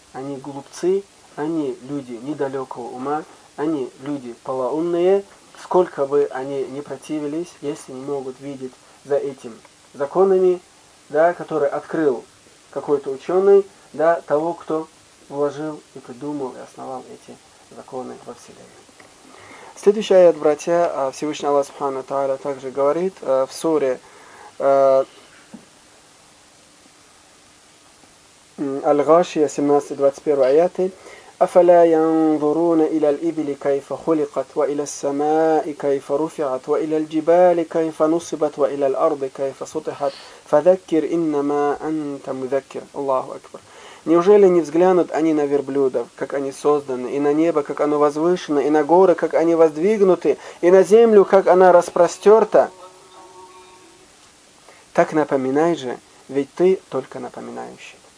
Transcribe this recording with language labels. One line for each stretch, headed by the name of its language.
Russian: Они глупцы, они люди недалекого ума, они люди полоумные, сколько бы они ни противились, если не могут видеть за этим законами, да, которые открыл какой-то ученый, да, того, кто вложил и придумал и основал эти законы во Вселенной. Следующий аят, братья, Всевышний Аллах Субхана Тааля также говорит в суре Аль-Гашия, 17-21 аяты.
Arabic: أفلا ينظرون إلى الإبل كيف خلقت وإلى السماء كيف رفعت وإلى الجبال كيف نصبت وإلى الأرض كيف سطحت فذكر إنما أنت مذكر. الله أكبر.
Russian: Неужели не взглянут они на верблюдов, как они созданы, и на небо, как оно возвышено, и на горы, как они воздвигнуты, и на землю, как она распростерта? Так напоминай же, ведь ты только напоминающий.